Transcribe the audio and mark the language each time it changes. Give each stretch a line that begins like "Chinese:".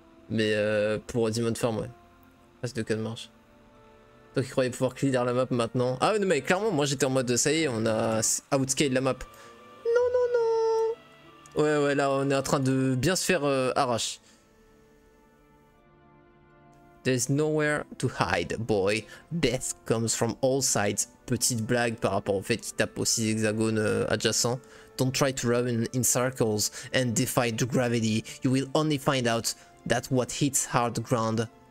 French: Mais pour Demon Farm, ouais. Reste de code marche. Toi qui croyais pouvoir clear la map maintenant. Ah non mais clairement, moi j'étais en mode ça y est, on a outscale la map. Non non non. Ouais ouais, là on est en train de bien se faire arrache.
English: There's nowhere to hide, boy. Death comes from all sides.
French: Petite blague par rapport au fait qu'il tape aussi hexagones adjacents.
English: Don't try to run in circles and defy the gravity. You will only find out that what hits hard ground.